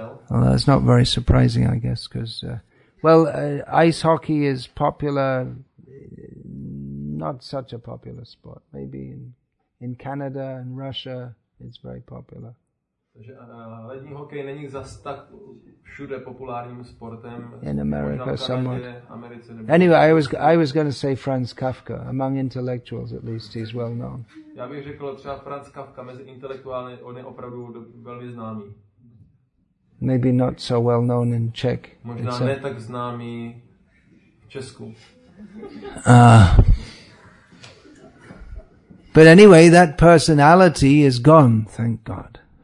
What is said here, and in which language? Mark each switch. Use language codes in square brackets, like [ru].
[en] Well, that's not very surprising, I guess, because ice hockey is popular not such a popular sport. Maybe in Canada and Russia it's very popular. [cs] Takže lední hokej není zas tak všude populárním sportem. [en] In America, somewhat. [cs] Americe, [en] anyway, I was going to say Franz Kafka. Among intellectuals, at least, he's well known. [cs] Já bych řekl třeba Franz Kafka mezi intelektuály, on je opravdu velmi známý. [en] Maybe not so well known in Czech. [cs] Možná ne tak známý v Česku. [en] But anyway, that personality is gone, thank God.